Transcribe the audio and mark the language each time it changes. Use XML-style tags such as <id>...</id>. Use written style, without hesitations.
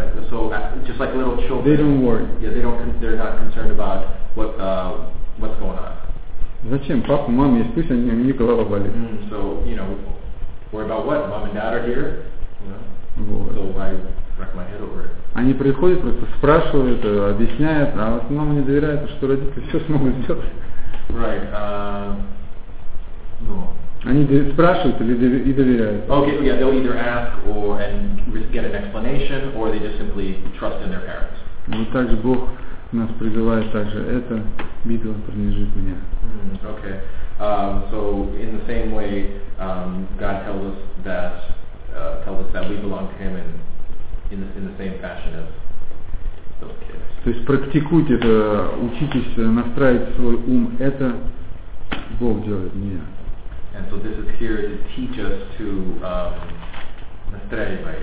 <en>So just like little children. They don't worry. Yeah, they're not concerned about what's going on.</en> <ru>Зачем? Папа, мама есть, пусть они, у них голова болит.</ru> <en>So, you know, worry about what? Mom and dad are here.</en> <ru>Вот.</ru> <en>So I rack my head over it.</en> <ru>Они приходят, просто спрашивают, объясняют, а в основном они доверяют, что родители все смогут сделать.</ru> <en>Right.</en> <ru>Они спрашивают и доверяют.</ru> <en>Okay, yeah, they'll either ask or get an explanation, or they just simply trust in their parents.</en> <ru>Вот так же Бог нас призывает также. Это битва принадлежит мне.</ru> <en>Okay. So in the same way, God tells us that we belong to Him, and in the same fashion as those kids.</en> <ru>То есть практикуйте это, учитесь настраивать свой ум. Это Бог делает, не я.</ru> <en>And so this is here to teach us to</en> <ru>настраивать.</ru>